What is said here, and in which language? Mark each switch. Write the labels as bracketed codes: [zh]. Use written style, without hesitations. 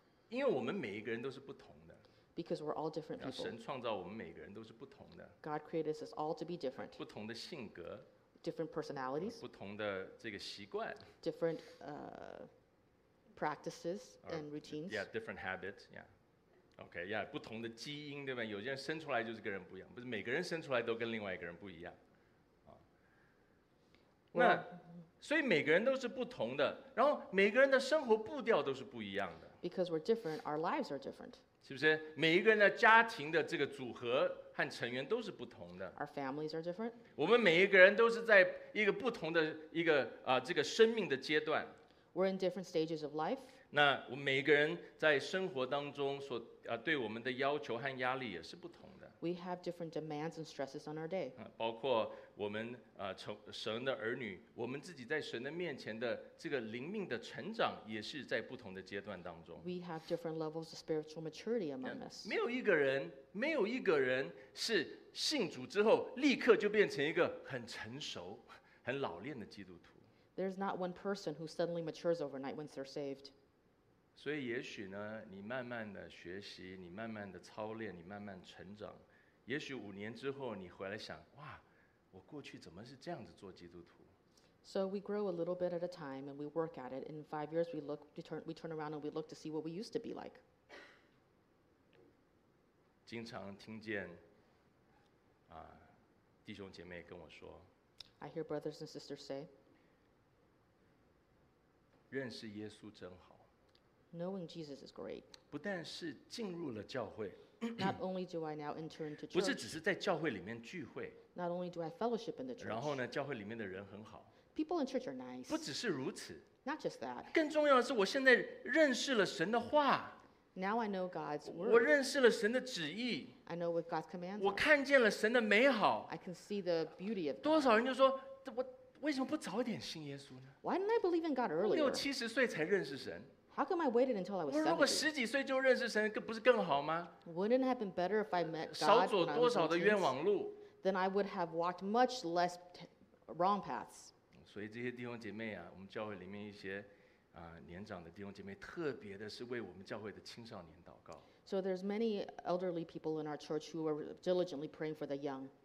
[zh] 因为我们每一个人都是不同。 [en] Because we're all different people. [zh] 神创造我们每个人都是不同的。 [en] God created us all to be different. [zh] 不同的性格。 [en] Different personalities. [zh] 不同的这个习惯。 [en] Different practices and routines. Yeah, different habits. Yeah. Okay. [zh] Yeah, 不同的基因，对吧？有些人生出来就是跟人不一样，不是每个人生出来都跟另外一个人不一样。那所以每个人都是不同的，然后每个人的生活步调都是不一样的。 [en] Because we're different, our lives are different. [zh] 是不是每一个人的家庭的这个组合和成员都是不同的 [en] ？Our families are different. [zh] 我们每一个人都是在一个不同的一个这个生命的阶段。 [en] We're in different stages of life. [zh] 那我们每一个人在生活当中所对我们的要求和压力也是不同的。 [en] We have different demands and stresses on our day. [zh] 包括我们神的儿女，我们自己在神的面前的这个灵命的成长，也是在不同的阶段当中。 [en] We have different levels of spiritual maturity among us. [zh] 没有一个人，没有一个人是信主之后立刻就变成一个很成熟、很老练的基督徒。 [en] There's not one person who suddenly matures overnight once they're saved. [zh] 所以也许呢，你慢慢的学习，你慢慢的操练，你慢慢成长。也许五年之后，你回来想，哇。我过去怎么是这样子做基督徒？ [en] So we grow a little bit at a time and we work at it. In 5 years, we turn around and we look to see what we used to be like. [zh] 经常听见弟兄姐妹跟我说， [en] I hear brothers and sisters say, [zh] 认识耶稣真好。 [en] Knowing Jesus is great. [zh] 不但是进入了教会。 [en] Not only do I now enter into church. [zh] 不是只是在教会里面聚会。 [en] Not only do I fellowship in the church. [zh] 然后呢，教会里面的人很好。 [en] People in church are nice. [zh] 不只是如此。 [en] Not just that. [zh] 更重要的是，我现在认识了神的话。 [en] Now I know God's word. [zh] 我认识了神的旨意。 [en] I know what God's commands. [zh] 我看见了神的美好。 [en] I can see the beauty of God. [zh] 多少人就说，我为什么不早点信耶稣呢？ [en] Why didn't I believe in God earlier? [zh] 六七十岁才认识神。 [en] How come I waited until I was 70? [zh] 我如果十几岁就认识神，不是更好吗？ [en] Wouldn't it have been better if I met God? [zh] 少走多少的冤枉路？ [en] Then I would have walked much less wrong paths. [zh] 所以这些弟兄姐妹啊，我们教会里面一些年长的弟兄姐妹，特别的是为我们教会的青少年祷告。 [en] So there's many elderly people in our church who are diligently praying for the young.